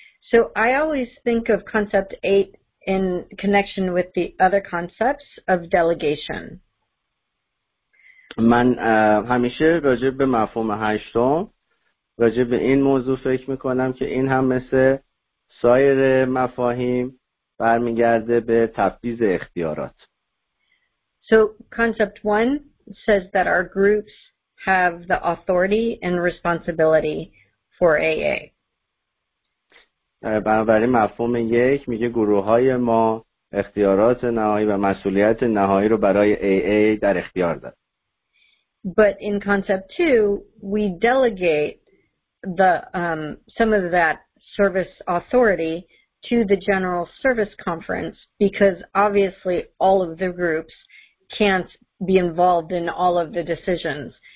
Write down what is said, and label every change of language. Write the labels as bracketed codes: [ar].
[en] So I always think of concept 8 in connection with the other concepts of delegation. [fa] من همیشه راجع به مفهوم 8 راجع به این موضوع فکر میکنم که این هم مثل سایر مفاهیم برمیگرده به تفویض اختیارات. [en] So concept 1 says that our groups have the authority and responsibility for AA. [fa] بنابراین مفهوم 1 میگه گروه‌های ما اختیارات نهایی و مسئولیت نهایی رو برای AA در اختیار دارن. [en] But in concept 2 we delegate the some of that service authority to the general service conference, because obviously all of the groups can't be involved in all of the decisions.